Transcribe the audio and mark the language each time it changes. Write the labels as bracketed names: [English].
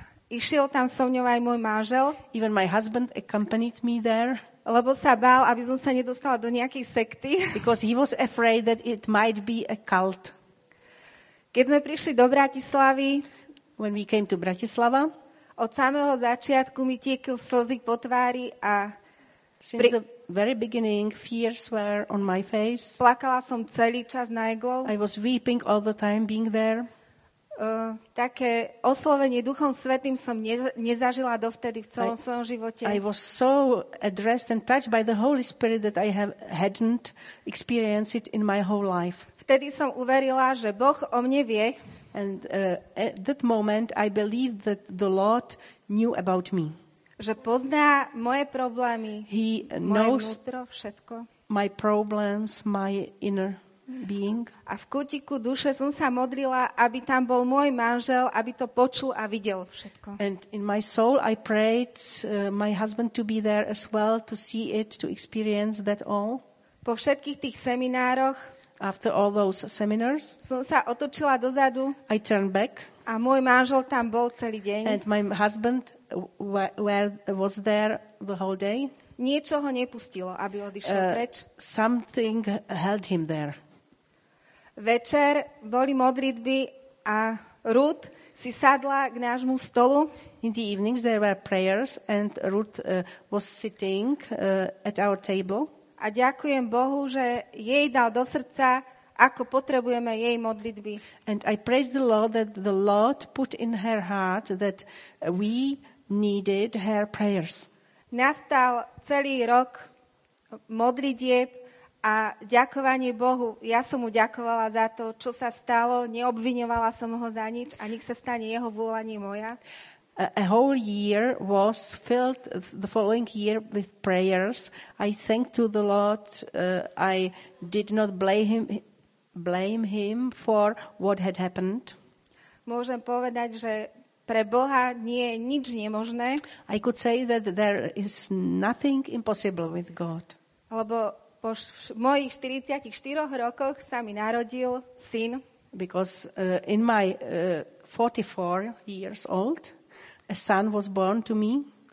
[Slovak] Išiel tam so mňou aj môj manžel. [English] Even my husband accompanied me there. [Slovak] Lebo sa bál, aby som sa nedostala do nejakej sekty. [English] Because he was afraid that it might be a cult. [Slovak] Keď sme prišli do Bratislavy, [English] when we came to Bratislava, [Slovak] od samého začiatku mi tiekli slzy po tvári a [English] since the very beginning fears were on my face. [Slovak] Plakala som celý čas na Eglow. [English] I was weeping all the time being there. [Slovak] Také oslovenie Duchom Svätým som nezažila dovtedy v celom svojom živote. [English] I was so addressed and touched by the Holy Spirit that I hadn't experienced it in my whole life. [Slovak] Vtedy som uverila, že Boh o mne vie. [English] And at that moment I believed that the Lord knew about me. [Slovak] Že pozná moje problémy, moje vnútro, všetko. [English] my problems, my inner being. [Slovak] A v kútiku duše som sa modlila, aby tam bol môj manžel, aby to počul a videl všetko. [English] And in my soul I prayed my husband to be there as well, to see it, to experience that all. [Slovak] Po všetkých tých seminároch, [English] after all those seminars, [Slovak] som sa otočila dozadu, [English] I turned back, [Slovak] a môj manžel tam bol celý deň. [English] And my husband was there the whole day. [Slovak] Niečo ho nepustilo, aby odišiel preč. [English] Something held him there. [Slovak] Večer boli modlitby a Ruth si sadla k nášmu stolu. [English] In the evenings there were prayers and Ruth was sitting at our table. [Slovak] A ďakujem Bohu, že jej dal do srdca, ako potrebujeme jej modlitby. [English] And I praise the Lord that the Lord put in her heart that we needed her prayers. [Slovak] Nastal celý rok modlitieb a ďakovanie Bohu. Ja som mu ďakovala za to, čo sa stalo. Neobviňovala som ho za nič a nech sa stane jeho vôľa, nie moja. [English] A whole year was filled, the following year, with prayers. I thank to the Lord. I did not blame him for what had happened. [Slovak] Môžem povedať, že pre Boha nie je nič nemožné. [English] I could say that there is nothing impossible with God. [Slovak] Lebo po mojich 44 rokoch sa mi narodil syn. [English] Because in my 44 years old, a son was born to me.